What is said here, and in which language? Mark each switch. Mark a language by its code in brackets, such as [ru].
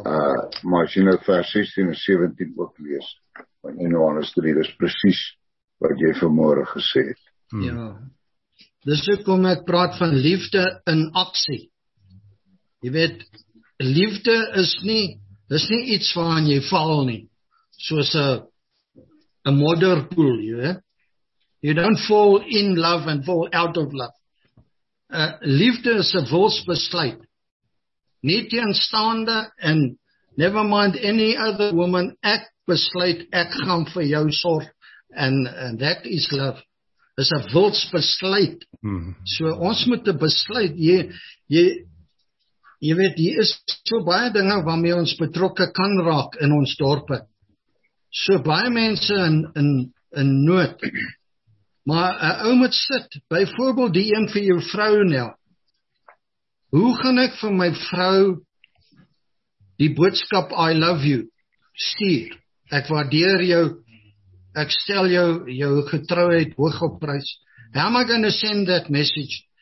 [af] Maar as jy nou vers 16 en 17 ook lees, van 1 Johannes 3, dis precies wat jy vanmorgen gesê het. Ja, dis ook om ek praat van liefde in aksie. Jy weet, liefde is nie iets waarin jy val nie, soos a modder pool, jy weet. [en] You don't fall in love and fall out of love. [af] Liefde is a wilsbesluit. Nie teenstaande en [en] never mind any other woman, [af] ek besluit, ek gaan vir jou sorg, [en] and that is love. [af] Is a wilsbesluit. So ons moet die besluit, jy weet, hier is so baie dinge waarmee ons betrokke kan raak in ons dorpe. So baie mense in nood. Maar een ou moet sit, byvoorbeeld die een vir jou vrou nou, hoe gaan ek vir my vrou die boodskap [en] I love you [af] stuur? Ek waardeer jou, ek stel jou getrouheid hoog op prys. [en] How am I going to send that message?